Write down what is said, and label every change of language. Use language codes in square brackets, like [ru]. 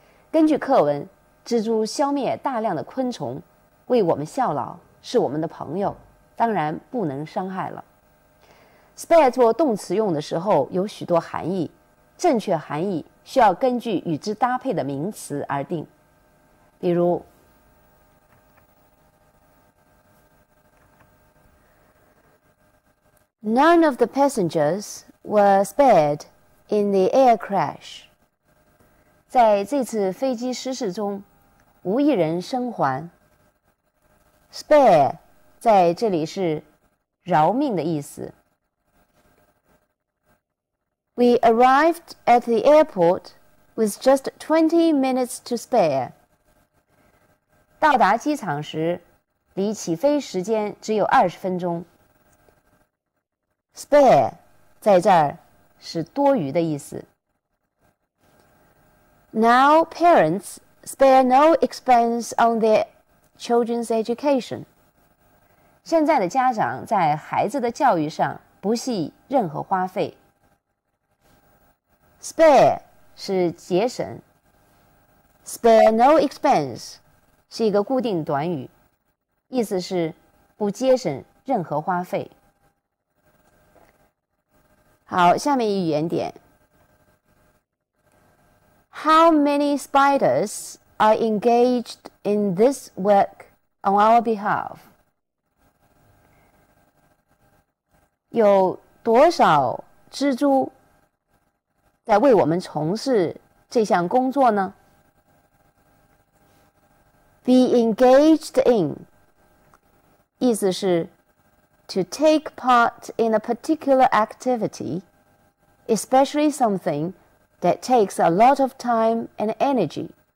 [zh] 根据课文，蜘蛛消灭大量的昆虫，为我们效劳，是我们的朋友，当然不能伤害了。 Spare 做动词用的时候有许多含义，正确含义需要根据与之搭配的名词而定。比如 [en] None of the passengers were spared in the air crash. [zh] 在这次飞机失事中，无一人生还。 Spare 在这里是饶命的意思。 [en] We arrived at the airport with just 20 minutes to spare. [zh] 到达机场时，离起飞时间只有20分钟。 Spare 在这儿是多余的意思。 [en] Now parents spare no expense on their children's education. [zh] 现在的家长在孩子的教育上不惜任何花费。 Spare 是节省。 [en] Spare no expense [zh] 是一个固定短语，意思是不节省任何花费。好，下面一语言点。 [en] How many spiders are engaged in this work on our behalf? [zh] 有多少蜘蛛在为我们从事这项工作呢？ [en] Be engaged in [zh] 意思是 [en] to take part in a particular activity, especially somethingThat takes a lot of time and energy.